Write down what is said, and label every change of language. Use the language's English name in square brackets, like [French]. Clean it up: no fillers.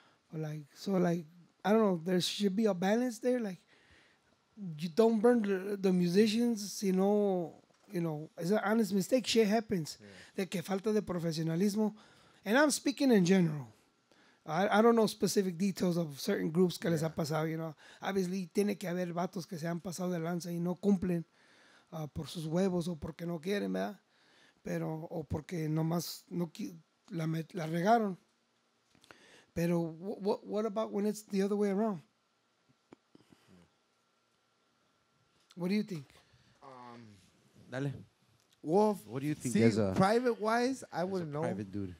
[English] But like, so like, I don't know. There should be a balance there. Like, you don't burn the musicians, you know, it's an honest mistake. Shit happens. Yeah. [Spanish] De que falta de profesionalismo. [English] And I'm speaking in general. I don't know specific details of certain groups [Spanish] que les ha pasado, [English] you know. Obviously, [Spanish] tiene que haber vatos que se han pasado de lanza y no cumplen por sus huevos o porque no quieren, ¿verdad? Pero, o porque nomás no, la regaron. Pero, [English] what about when it's the other way around? What do you think? [Spanish] Dale. [English] Wolf, what do you think? See, private wise, I wouldn't know. Private dude.